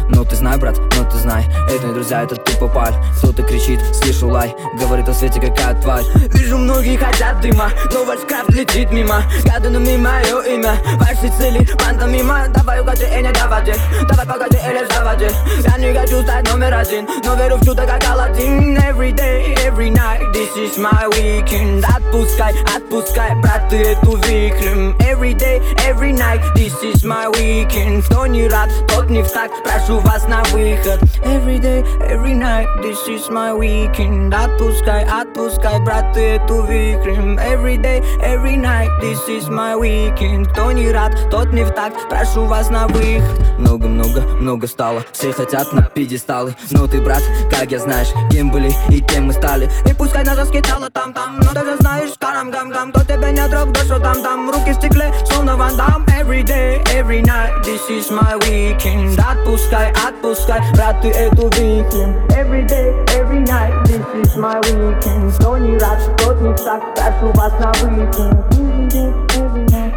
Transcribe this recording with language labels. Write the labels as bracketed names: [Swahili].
[Russian] Но ты знай, брат, но ты знай, это не друзья, это ты попал. Кто-то кричит, слышу лай, говорит о свете, какая тварь. Вижу, многие хотят дыма, но ваш крафт летит мимо. Гадано мне мое имя, ваши цели, пантомима. Давай угоди, и не давай, давай погоди, или заводи. Я не хочу стать номер один, но верю в чудо, как Аладдин. [English] Every day, every night, this is my weekend. [Russian] Отпускай, отпускай, брат, ты эту викрим. [English] Every day, every night, this is my weekend. [Russian] Кто не рад, тот не в такт, прошу вас на выход. [English] Every day, every night, this is my weekend. [Russian] Отпускай, отпускай, брат, ты эту викрим. [English] Every day, every night, this is my weekend. [Russian] Кто не рад, тот не в такт, прошу вас на выход. Много-много-много стало, все хотят на пьедесталы. Но ты, брат, как я знаешь, кем были и кем мы стали. И пускай нас раскидало там-там, но ты же знаешь, карам-гам-гам, кто тебе не отрабатывает. Да что там-там, руки в стекле, словно Ван Дам. [English] Every day, every night, this is my weekend. [Russian] Отпускай, отпускай, брат, ты эту викинг. [English] Every day, every night, this is my weekend. [Russian] Кто не рад, тот не в так, прошу вас на [English] weekend. Every day, every night.